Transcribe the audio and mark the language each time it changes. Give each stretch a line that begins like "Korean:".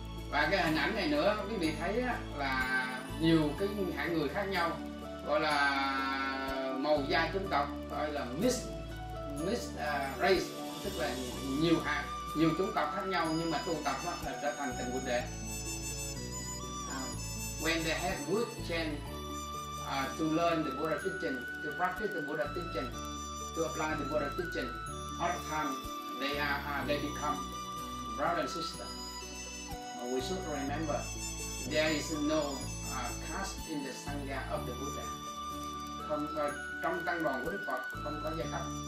Vietnamese: Và cái hình ảnh này nữa quý vị thấy là nhiều cái hạng người khác nhau, gọi là màu da chủng tộc, gọi là mixed race, tức là nhiều hạng, nhiều chủng tộc khác nhau nhưng mà tu tập đó là trở thành tình Buddha.
English: When they had good chance to learn the Buddha teaching, to practice the Buddha teaching, to apply the Buddha teaching, all the time they become brother and sister. We should remember there is no caste in the Sangha of the Buddha.
Vietnamese: Không có, trong tăng đoàn của Đức Phật không có giai cấp.